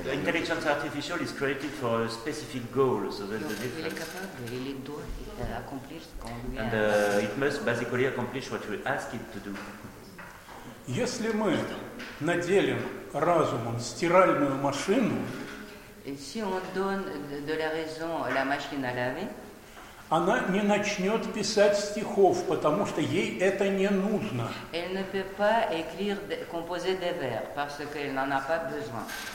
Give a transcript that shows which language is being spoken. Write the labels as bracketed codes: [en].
[fr] L'intelligence artificielle est créée pour un [en] spécific goal. So that the difference. [fr] Il est capable, il doit accomplir ce qu'on lui a dit. [en] It must basically accomplish what you ask it to do. [ru] Если мы наделим разумом стиральную машину, [fr] si on donne de la raison la machine à laver, [ru] она не начнет писать стихов, потому что ей это не нужно. [fr] Elle ne peut pas écrire, composer des vers, parce qu'elle n'en a pas besoin.